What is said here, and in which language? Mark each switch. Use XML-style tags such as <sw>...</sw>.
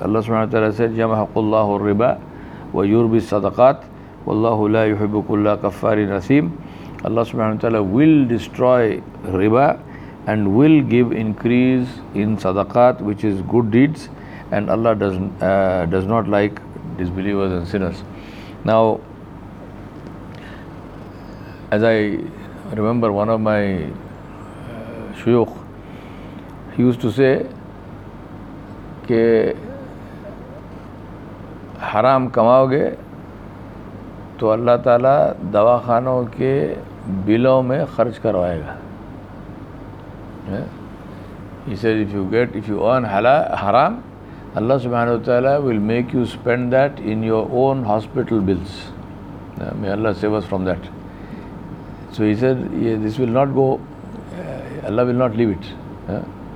<en>Allah subhanahu wa ta'ala said,</en> <ar>يَمْحَقُ اللَّهُ الرِّبَى وَيُرْبِي الصَّدَقَاتِ وَاللَّهُ لَا يُحِبُّ كُلَّا كَفَّارٍ أَثِيمٍ.</ar> <en>Allah subhanahu wa ta'ala will destroy riba and will give increase in sadaqat, which is good deeds, and Allah does not like disbelievers and sinners. Now, as I remember, one of my shuyukh, he used to say,</en> <ur>حرام کماؤ گے تو اللہ تعالیٰ دوا خانوں کے بلوں میں خرچ کروائے گا.</ur> <en>He said, if you earn haram, Allah subhanahu wa ta'ala will make you spend that in your own hospital bills. May Allah save us from that. So he said, this will not go, Allah will not leave it.</en>